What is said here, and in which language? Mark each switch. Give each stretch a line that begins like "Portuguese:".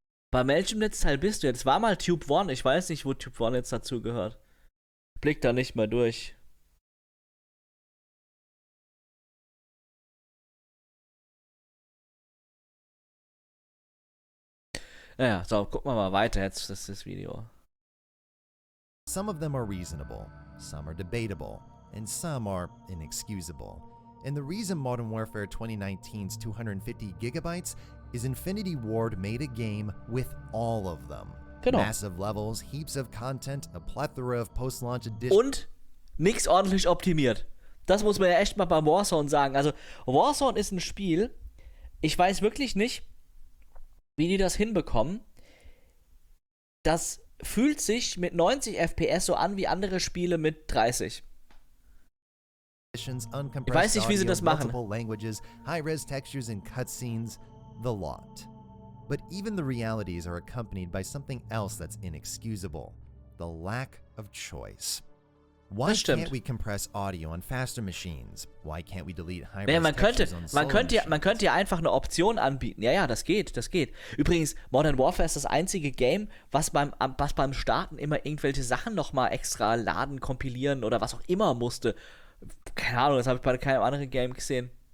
German: Bei welchem Netzteil bist du jetzt? War mal Tube One. Ich weiß nicht, wo Tube One jetzt dazu gehört. Blick da nicht mehr durch. Naja, so, gucken wir mal weiter jetzt, das Video.
English: Some of them are reasonable, some are debatable, and some are inexcusable. And the reason Modern Warfare 2019's 250 gigabytes is Infinity Ward made a game with all of them.
German: Genau. Massive levels, heaps of content, a plethora of post-launch additions. Und nix ordentlich optimiert. Das muss man ja echt mal beim Warzone sagen. Also, Warzone ist ein Spiel, ich weiß wirklich nicht, wie die das hinbekommen. Das fühlt sich mit 90 FPS so an wie andere Spiele mit 30. Ich weiß nicht, wie sie das machen.
English: Multiple languages, high-res textures and cutscenes, the lot. But even the realities are accompanied by something else that's inexcusable. The lack of choice. Why can't we compress audio on faster machines? Why can't we delete high-res textures on slower machines?
German: Man könnte ja einfach eine Option anbieten. Ja, ja, das geht, das geht. Übrigens, Modern Warfare ist das einzige Game, was beim Starten immer irgendwelche Sachen nochmal extra laden, kompilieren oder was auch immer musste. Keine Ahnung, das habe ich bei keinem anderen Game gesehen.